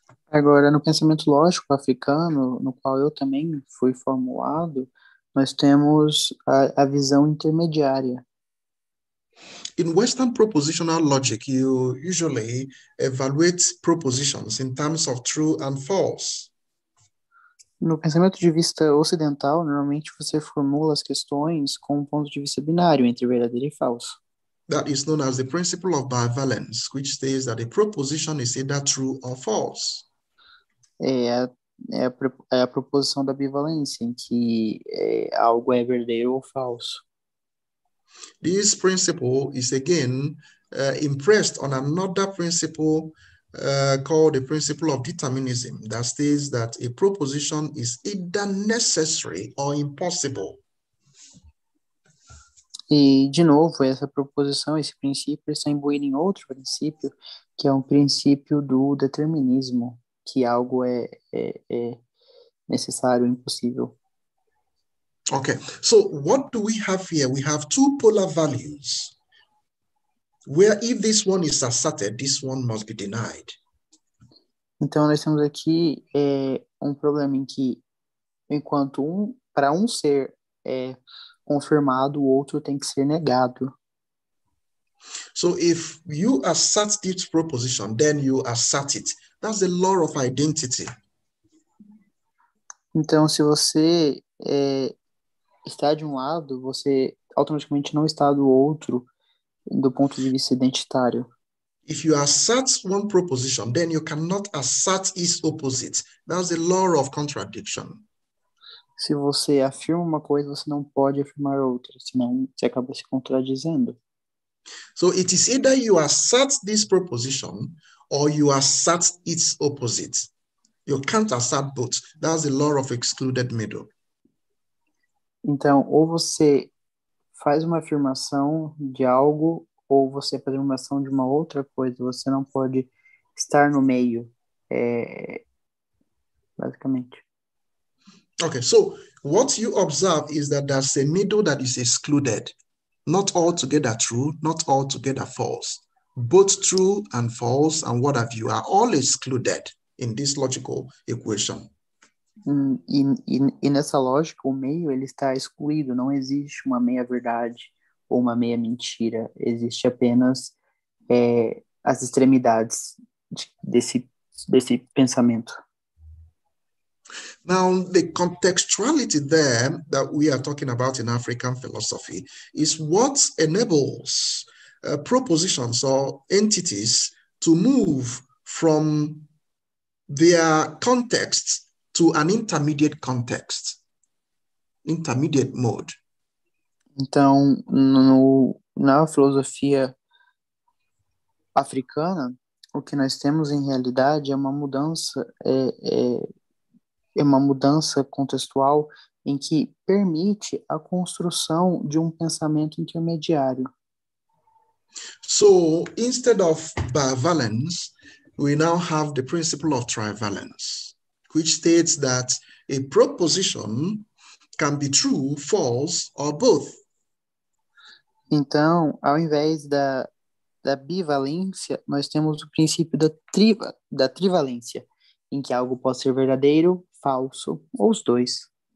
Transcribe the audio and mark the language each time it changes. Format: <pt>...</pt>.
<pt>Agora, no pensamento lógico africano, no qual eu também fui formulado, nós temos a visão intermediária.</pt> <en>In Western propositional logic, you usually evaluate propositions in terms of true and false.</en> <pt>No pensamento de vista ocidental, normalmente você formula as questões com um ponto de vista binário, entre verdadeiro e falso.</pt> <en>That is known as the principle of bivalence, which says that a proposition is either true or false.</en> <pt>É a proposição da bivalência, em que algo é verdadeiro ou falso.</pt> <en>This principle is again impressed on another principle called the principle of determinism, that states that a proposition is either necessary or impossible.</en> <pt>E, de novo, essa proposição, esse princípio, está imbuído em outro princípio, que é um princípio do determinismo, que algo é necessário ou impossível.</pt> <en>Okay, so what do we have here? We have two polar values, where if this one is asserted, this one must be denied.</en> <pt>Então, nós temos aqui problema em que, enquanto para ser confirmado, o outro tem que ser negado.</pt> <en>So if you assert this proposition, then you assert it. That's the law of identity.</en> <pt>Então, se você está de um lado, você automaticamente não está do outro do ponto de vista identitário.</pt> <en>If you assert one proposition, then you cannot assert its opposite. That's the law of contradiction.</en> <pt>Se você afirma uma coisa, você não pode afirmar outra, senão você acaba se contradizendo.</pt> <en>So it is either you assert this proposition or you assert its opposite. You can't assert both. That's the law of excluded middle.</en> <pt>Então, ou você faz uma afirmação de algo, ou você faz uma afirmação de uma outra coisa. Você não pode estar no meio, basicamente.</pt> <en>Okay, so what you observe is that there's a middle that is excluded. Not altogether true, not altogether false. Both true and false and what have you are all excluded in this logical equation.</en> <pt>E nessa lógica, o meio ele está excluído. Não existe uma meia-verdade ou uma meia-mentira. Existe apenas as extremidades desse pensamento.</pt> <en>Now, the contextuality there that we are talking about in African philosophy is what enables propositions or entities to move from their context to an intermediate context, intermediate mode.</en> <pt>Então, na filosofia africana, o que nós temos em realidade é uma mudança contextual em que permite a construção de um pensamento intermediário.</pt> <en>So, instead of bivalence, we now have the principle of trivalence, which states that a proposition can be true, false, or both.</en> <pt>Então, ao invés da bivalência, nós temos o princípio da trivalência, em que algo pode ser verdadeiro, falso, ou os dois.</pt>